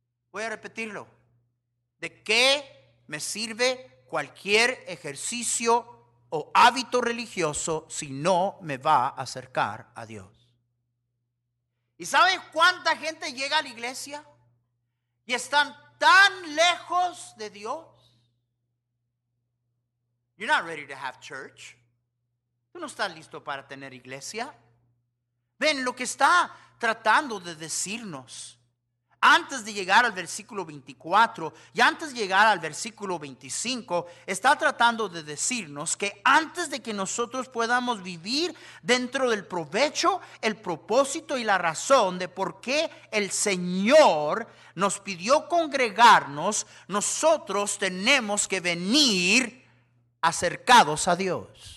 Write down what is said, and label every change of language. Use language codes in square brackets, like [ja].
[es] Voy a repetirlo. ¿De qué me sirve cualquier ejercicio o hábito religioso si no me va a acercar a Dios? ¿Y sabes cuánta gente llega a la iglesia y están tan lejos de Dios. [en] You're not ready to have church. [es] Tú no estás listo para tener iglesia. Ven, lo que está tratando de decirnos, antes de llegar al versículo 24 y antes de llegar al versículo 25, está tratando de decirnos que antes de que nosotros podamos vivir dentro del provecho, el propósito y la razón de por qué el Señor nos pidió congregarnos, nosotros tenemos que venir acercados a Dios.